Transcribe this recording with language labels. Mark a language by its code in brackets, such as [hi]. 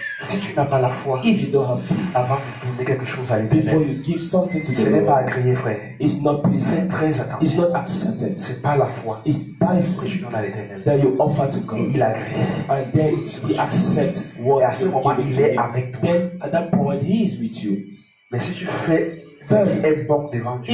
[fr] Si tu n'as pas la foi, [en] if you don't have faith, [fr] avant de donner quelque chose à l'Éternel, [en] before you give something to [fr] ce n'est pas agréé, frère. [en] It's not pleasant. [fr] Fais très attention. [en] It's not accepted. [fr] C'est par la foi. [en] It's by faith [fr] que tu donnes à l'Éternel. [en] That you offer to God. [fr] Et il agrée. [en] And then he accepts what [fr] et à ce moment, il est avec toi. [en] Then at that point, he is with you. [fr] Mais si tu fais ce qui est bon devant Dieu.